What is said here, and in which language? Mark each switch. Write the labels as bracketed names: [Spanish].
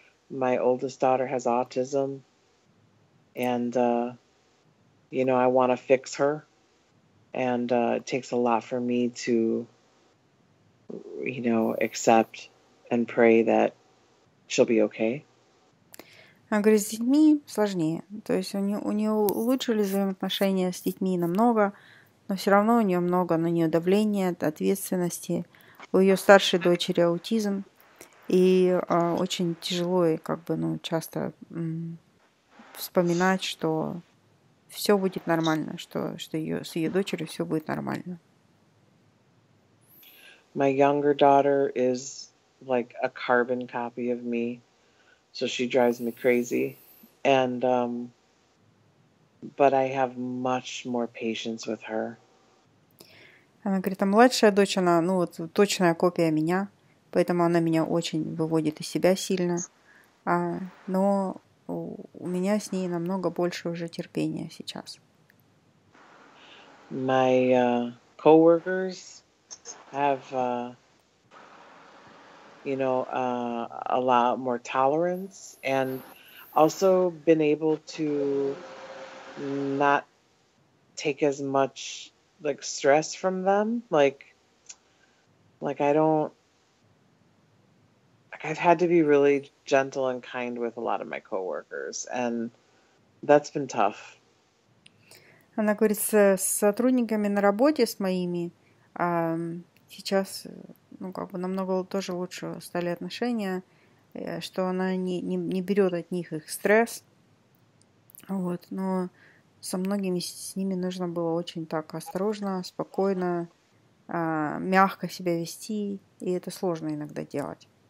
[English] My oldest daughter has autism. And, you know, I want to fix her. And it takes a lot for me to, you know, accept and pray that she'll be okay. [Russian] Она говорит, с детьми сложнее. То есть у нее улучшили взаимоотношения с детьми намного, но все равно у нее много на нее давления, ответственности. У ее старшей дочери аутизм. И очень тяжело и как бы, ну, часто вспоминать, что все будет нормально, что с ее дочерью все будет нормально. [English] My younger daughter is like a carbon copy of me. So she drives me crazy, and but I have much more patience with her. [Russian] Она говорит, а младшая дочь, она, ну вот, точная копия меня, поэтому она меня очень выводит из себя сильно. Но у меня с ней намного больше уже терпения сейчас. [English] My coworkers have. You know, a lot more tolerance, and also been able to not take as much like stress from them. Like I don't, like I've had to be really gentle and kind with a lot of my coworkers, and that's been tough. [Russian] Она говорит, с сотрудниками на работе, с моими, сейчас, ну, как бы, намного тоже лучше стали отношения, что она не берет от них их стресс. Вот, но со многими с ними нужно было очень так осторожно, спокойно, мягко себя вести, и это сложно иногда делать.